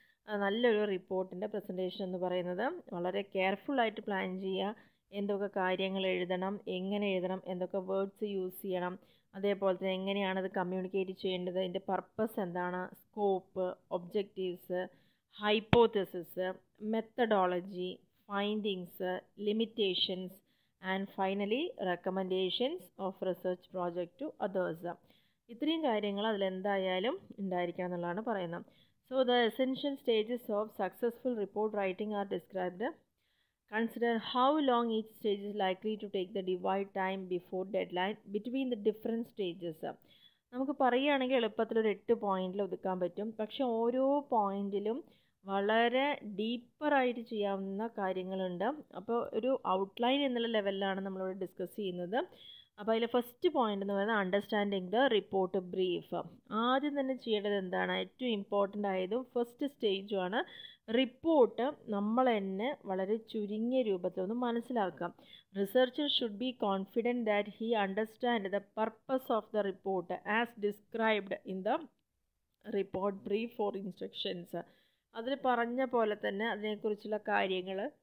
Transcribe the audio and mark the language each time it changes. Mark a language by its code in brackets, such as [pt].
[ml] നല്ലൊരു റിപ്പോർട്ടിൻ്റെ പ്രസൻറ്റേഷൻ എന്ന് പറയുന്നത് വളരെ കെയർഫുള്ളായിട്ട് പ്ലാൻ ചെയ്യുക എന്തൊക്കെ കാര്യങ്ങൾ എഴുതണം എങ്ങനെ എഴുതണം എന്തൊക്കെ വേർഡ്സ് യൂസ് ചെയ്യണം അതേപോലെ തന്നെ എങ്ങനെയാണ് അത് കമ്മ്യൂണിക്കേറ്റ് ചെയ്യേണ്ടത് അതിൻ്റെ പർപ്പസ് എന്താണ് scope objectives [en] hypothesis, methodology, findings, limitations, and finally recommendations of research project to others. [ml] ഇത്രയും കാര്യങ്ങൾ അതിലെന്തായാലും ഉണ്ടായിരിക്കണം എന്നുള്ളതാണ് പറയുന്നത്. [en] So the essential stages of successful report writing are described. Consider how long each stage is likely to take the divide time before deadline between the different stages. [ml] നമുക്ക് പറയുകയാണെങ്കിൽ എളുപ്പത്തിൽ ഒരു 8 പോയിന്റിൽ ഒതുക്കാൻ പറ്റും പക്ഷെ ഓരോ പോയിന്റിലും വളരെ ഡീപ്പറായിട്ട് ചെയ്യാവുന്ന കാര്യങ്ങളുണ്ട് അപ്പോൾ ഒരു ഔട്ട്ലൈൻ എന്നുള്ള ലെവലിലാണ് നമ്മളിവിടെ ഡിസ്കസ് ചെയ്യുന്നത് അപ്പോൾ അതിലെ ഫസ്റ്റ് പോയിന്റ് എന്ന് പറയുന്നത് അണ്ടർസ്റ്റാൻഡിങ് ദ റിപ്പോർട്ട് ബ്രീഫ് ആദ്യം തന്നെ ചെയ്യേണ്ടത് എന്താണ് ഏറ്റവും ഇമ്പോർട്ടൻ്റ് ആയതും ഫസ്റ്റ് സ്റ്റേജും ആണ് റിപ്പോർട്ട് നമ്മൾ തന്നെ വളരെ ചുരുങ്ങിയ രൂപത്തിലൊന്ന് മനസ്സിലാക്കാം [en] researcher should be confident that he understand the purpose of the report as described in the report brief for instructions [ml] അതിൽ പറഞ്ഞ പോലെ തന്നെ അതിനെക്കുറിച്ചുള്ള കാര്യങ്ങൾ